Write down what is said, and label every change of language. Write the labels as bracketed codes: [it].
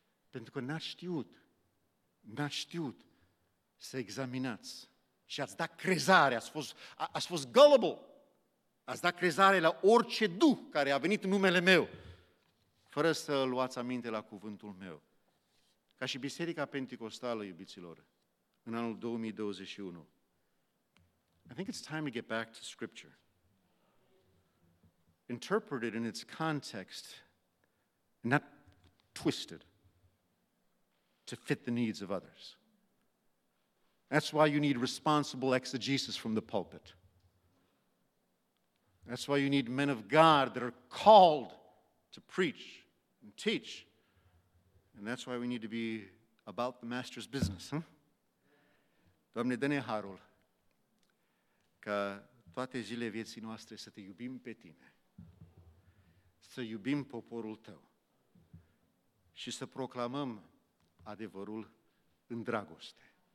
[ro] Pentru că n-ați știut să examinați și ați dat crezare, ați fost gullible. Ați dat crezare la orice duh care a venit în numele meu, fără să luați aminte la cuvântul meu. Ca și Biserica Pentecostală, iubiților, în anul 2021. [en] I think it's time to get back to Scripture. Interpreted in its context, not twisted to fit the needs of others. That's why you need responsible exegesis from the pulpit. That's why you need men of God that are called to preach and teach. And that's why we need to be about the Master's business. Huh? [ro] Doamne, dă-ne harul ca toate zilele vieții noastre să te iubim pe Tine, să iubim poporul Tău și să proclamăm adevărul în dragoste.